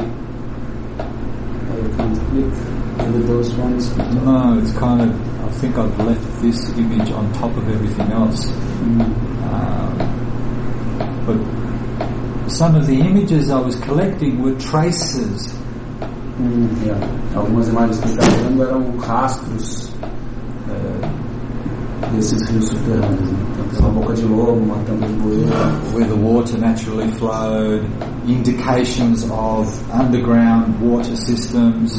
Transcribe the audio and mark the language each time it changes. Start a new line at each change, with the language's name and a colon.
English: I can't click under those ones. No, it's kind of, I think I've left this image on top of everything else. But some of the images I was collecting were traces.
Portuguese: Algumas imagens que eu estava vendo eram rastros desses rios subterrâneos, né? Uma boca de lobo, uma tampa de boi.
English: Where the water naturally flowed, indications of underground water systems,